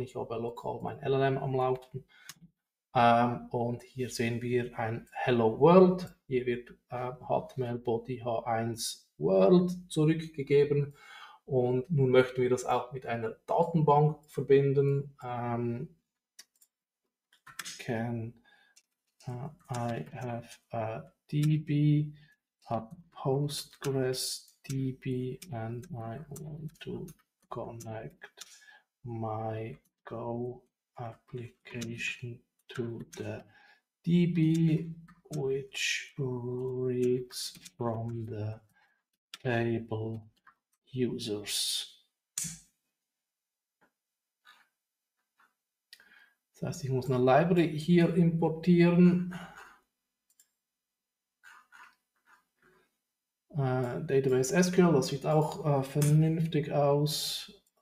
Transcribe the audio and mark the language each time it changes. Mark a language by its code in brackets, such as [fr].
[de] Ich habe lokal mein LLM am Laufen. Und hier sehen wir ein Hello World. Hier wird HTML Body H1 World zurückgegeben. Und nun möchten wir das auch mit einer Datenbank verbinden. [en] Can I have a DB, a Postgres DB, and I want to connect my Go application to the DB, which reads from the table Users. [de] Das heißt, ich muss eine Library hier importieren. Database SQL, das sieht auch vernünftig aus.